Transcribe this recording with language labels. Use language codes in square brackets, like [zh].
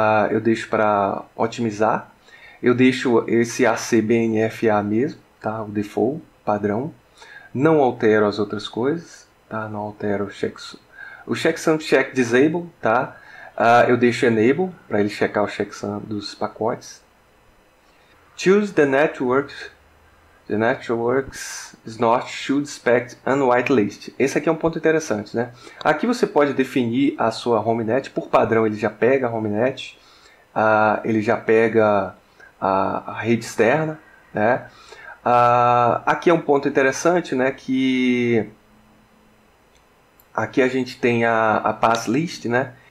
[pt] Eu deixo para otimizar. Eu deixo esse ACBNFA mesmo, tá? O default padrão. Não altero as outras coisas, tá? Não altero o checksum check disable, tá? Eu deixo enable para ele checar o checksum dos pacotes. [en] Choose the network. The networks snort should expect unwhitelist. [pt] Esse aqui é um ponto interessante, né? Aqui você pode definir a sua home net. Por padrão, ele já pega a home net. Ele já pega a rede externa, né? Aqui é um ponto interessante, né? Que aqui a gente tem a pass list, né?